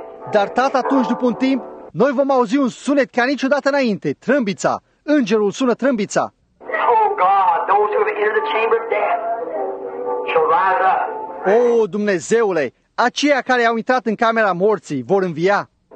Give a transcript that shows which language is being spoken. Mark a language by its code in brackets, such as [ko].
[ro] Dar, Tată, atunci, după un timp, noi vom auzi un sunet ca niciodată înainte, trâmbița. Îngerul sună trâmbița. [en] Oh, God, those who enter the chamber of death shall rise up. [ro] O, Dumnezeule, aceia care au intrat în camera morții vor învia.